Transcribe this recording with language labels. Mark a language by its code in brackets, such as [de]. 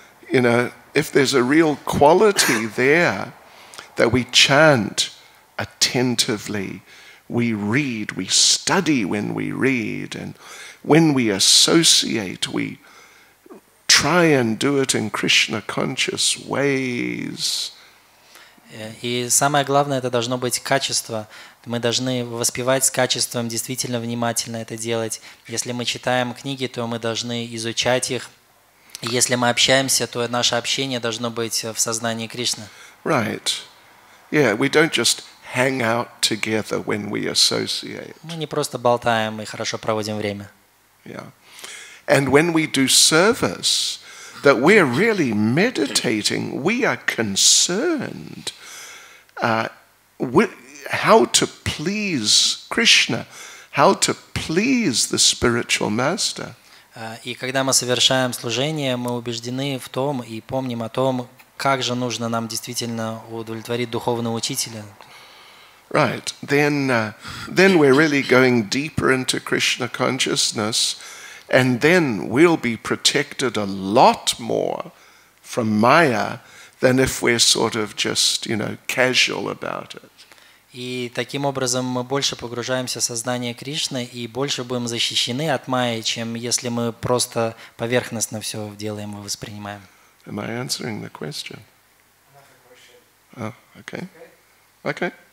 [en] You know, if there's a real quality there that we chant attentively, we read, we study when we read, and when we associate, we try and do it in Krishna conscious ways. [ru] И самое главное, это должно быть качество. Мы должны воспевать с качеством, действительно внимательно это делать. Если мы читаем книги, то мы должны изучать их. Если мы общаемся, то наше общение должно быть в сознании Кришны. [en] Right. Yeah, we don't just hang out together when we associate. [ru] Мы не просто болтаем и хорошо проводим время. [en] Yeah. And when we do service, that we're really meditating, we are concerned how to please Krishna, how to please the spiritual master. [ru] И когда мы совершаем служение, мы убеждены в том и помним о том, как же нужно нам действительно удовлетворить духовного учителя. [en] Right. Then we're really going deeper into Krishna consciousness, and then we'll be protected a lot more from Maya than if we're sort of just, you know, casual about it. [ru] И таким образом мы больше погружаемся в сознание Кришны и больше будем защищены от Майи, чем если мы просто поверхностно все делаем и воспринимаем. [en] Am I answering the question? Oh, okay. Okay.